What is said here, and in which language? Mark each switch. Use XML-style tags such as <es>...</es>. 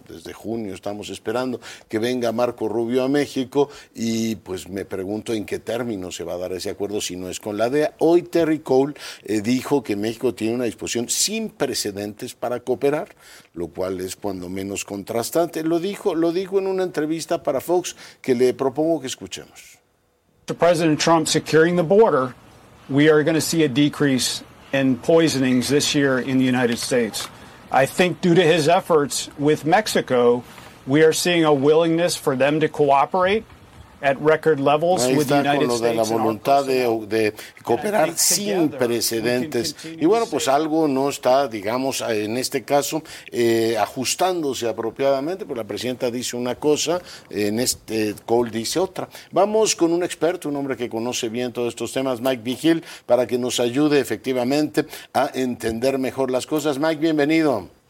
<es>Desde junio estamos esperando que venga Marco Rubio a México y pues me pregunto en qué términos se va a dar ese acuerdo si no es con la DEA. Hoy Terry Cole dijo que México tiene una disposición sin precedentes para cooperar, lo cual es cuando menos contrastante. Lo dijo en una entrevista para Fox que le propongo que escuchemos.</es> <en>Mr. President Trump securing the border, we are going to see a decrease in poisonings this year in the United States. I think due to his efforts with Mexico, we are seeing a willingness for them to cooperate at record levels with the United States.</en> <es>De la voluntad de cooperar sin precedentes. Y bueno, pues algo no está, digamos, en este caso, ajustándose apropiadamente, pues la presidenta dice una cosa, en este Cole dice otra. Vamos con un experto, un hombre que conoce bien todos estos temas, Mike Vigil, para que nos ayude efectivamente a entender mejor las cosas. Mike, bienvenido.</es>